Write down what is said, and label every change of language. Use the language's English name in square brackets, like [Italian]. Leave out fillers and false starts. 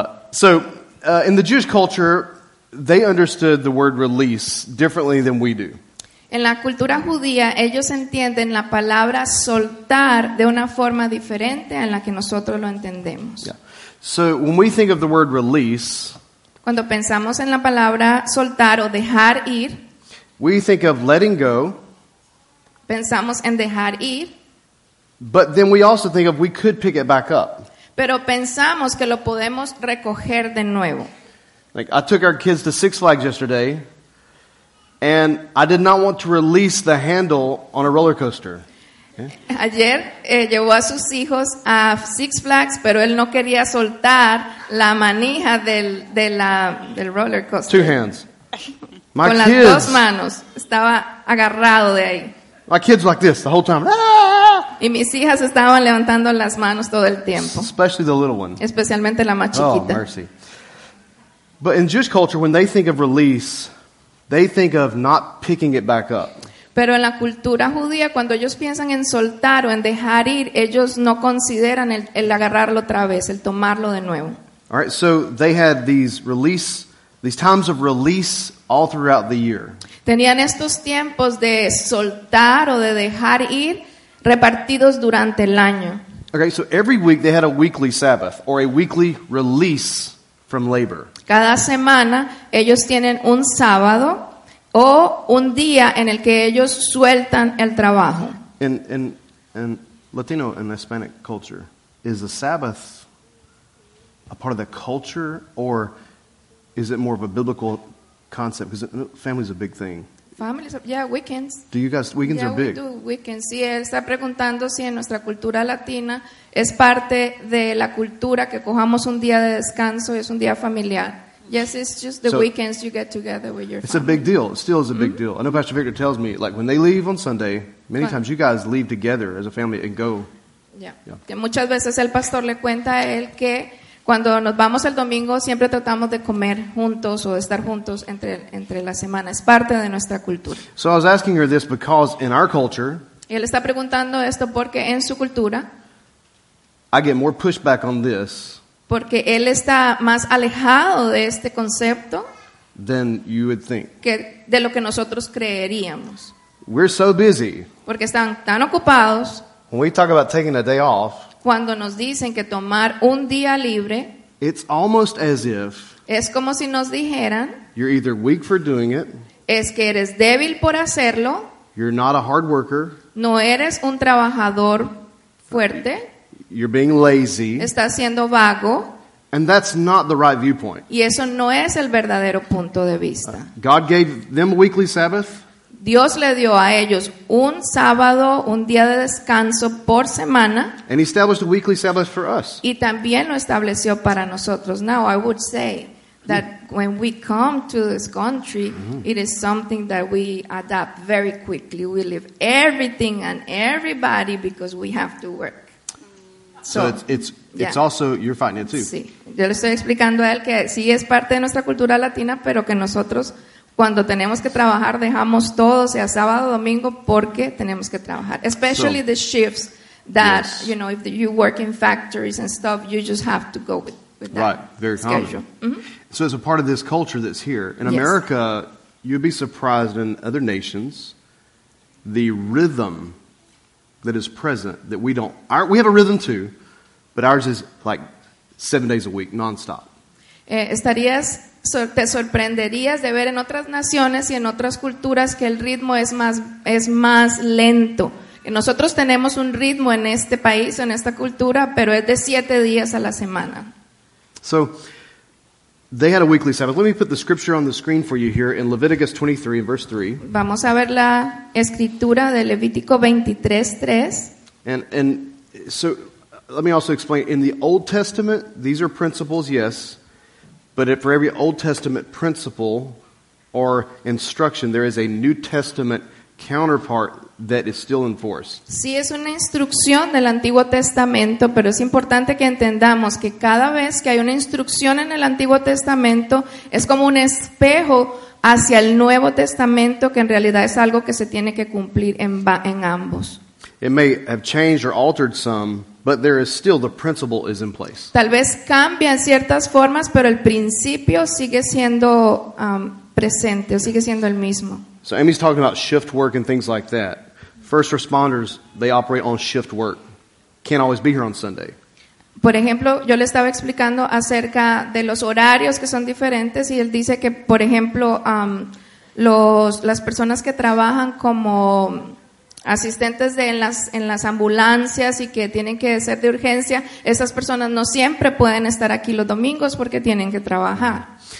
[English] So in the Jewish culture, they understood the word release differently than we do. [Spanish] En la cultura judía, ellos entienden la palabra soltar de una forma diferente a la que nosotros lo entendemos. [English] Yeah. So when we think of the word release, [Spanish] cuando pensamos en la palabra soltar o dejar ir, [English] we think of letting go. [Spanish] Pensamos en dejar ir. [English] But then we also think of we could pick it back up. [Spanish] Pero pensamos que lo podemos recoger de nuevo. [English] Like I took our kids to Six Flags yesterday. And I did not want to release the handle on a roller coaster. Okay. [Spanish] Ayer llevó a sus hijos a Six Flags, pero él no quería soltar la manija del roller coaster. [English] Two hands. My con kids, [Spanish] las dos manos. Estaba agarrado de ahí. [English] My kids like this the whole time. [Spanish] Y mis hijas estaban levantando las manos todo el tiempo. [English] Especially the little one. [Spanish] Especialmente la más chiquita. [English] Oh, mercy. But in Jewish culture, when they think of release, they think of not picking it back up. [Spanish] Pero en la cultura judía, cuando ellos piensan en soltar o en dejar ir, ellos no consideran el agarrarlo otra vez, el tomarlo de nuevo. [English] All right, so they had these times of release all throughout the year. [Spanish] Tenían estos tiempos de soltar o de dejar ir repartidos durante el año. [English] Okay, so every week they had a weekly Sabbath or a weekly release from labor. [Spanish] Cada semana ellos tienen un sábado o un día en el que ellos sueltan el trabajo. [English] In Latino and Hispanic culture, is the Sabbath a part of the culture or is it more of a biblical concept? Because family is a big thing. Families, yeah, weekends. Do you guys, weekends yeah, are big. Yeah, we do weekends. [Spanish] Sí, él está preguntando si en nuestra cultura latina es parte de la cultura que cojamos un día de descanso, es un día familiar. [English] Yes, it's just the weekends you get together with your it's family. It's a big deal. It still is a big deal. I know Pastor Victor tells me, like, when they leave on Sunday, many times you guys leave together as a family and go. Yeah. [Spanish] Que muchas veces el pastor le cuenta a él que cuando nos vamos el domingo, siempre tratamos de comer juntos o de estar juntos entre la semana. Es parte de nuestra cultura. [English] So I was asking her this because in our culture, [Spanish] y él está preguntando esto porque en su cultura, [English] I get more pushback on this, [Spanish] porque él está más alejado de este concepto [English] than you would think. [Spanish] Que de lo que nosotros creeríamos. [English] We're so busy. [Spanish] Porque están tan ocupados. [English] When we talk about taking a day off, [Spanish] cuando nos dicen que tomar un día libre, [English] it's almost as if, [Spanish] es como si nos dijeran, [English] you're either weak for doing it, [Spanish] es que eres débil por hacerlo, [English] you're not a hard worker, [Spanish] no eres un trabajador fuerte, [English] you're being lazy, [Spanish] estás siendo vago, [English] and that's not the right viewpoint. [Spanish] Y eso no es el verdadero punto de vista. [English] God gave them a weekly Sabbath. [Spanish] Dios le dio a ellos un sábado, un día de descanso por semana. [English] And he established a weekly Sabbath for us. [Spanish] Y también lo estableció para nosotros. [English] Now, I would say that when we come to this country, it is something that we adapt very quickly. We leave everything and everybody because we have to work. So it's also, you're fighting it too. [Spanish] Sí. Yo le estoy explicando a él que sí es parte de nuestra cultura latina, pero que nosotros cuando tenemos que trabajar, dejamos todo, sea sábado, domingo, porque tenemos que trabajar. [English] Especially the shifts that, you know, if you work in factories and stuff, you just have to go with that right, very schedule. Common. So it's a part of this culture that's here. In America, you'd be surprised in other nations, the rhythm that is present that we don't, our, we have a rhythm too, but ours is like 7 days a week, nonstop. [Spanish] Te sorprenderías de ver en otras naciones y en otras culturas que el ritmo es más lento. Nosotros tenemos un ritmo en este país, en esta cultura, pero es de 7 días a la semana. [English] So, they had a weekly Sabbath. Let me put the scripture on the screen for you here in Leviticus 23, verse 3. [Spanish] Vamos a ver la escritura de Levítico 23, 3. [English] And so, let me also explain. In the Old Testament, these are principles, yes. But for every Old Testament principle or instruction, there is a New Testament counterpart that is still in force. [Spanish] Sí, es una instrucción del Antiguo Testamento, pero es importante que entendamos que cada vez que hay una instrucción en el Antiguo Testamento, es como un espejo hacia el Nuevo Testamento, que en realidad es algo que se tiene que cumplir en ambos. [English] It may have changed or altered some, but there is still the principle is in place. [Spanish] Tal vez cambia en ciertas formas, pero el principio sigue siendo presente, o sigue siendo el mismo. [English] So Amy's talking about shift work and things like that. First responders, they operate on shift work. Can't always be here on Sunday. [Spanish] Por ejemplo, yo le estaba explicando acerca de los horarios que son diferentes, y él dice que, por ejemplo, las personas que trabajan como asistentes de en las ambulancias y que tienen que ser de urgencia, esas personas no siempre pueden estar aquí los domingos porque tienen que trabajar.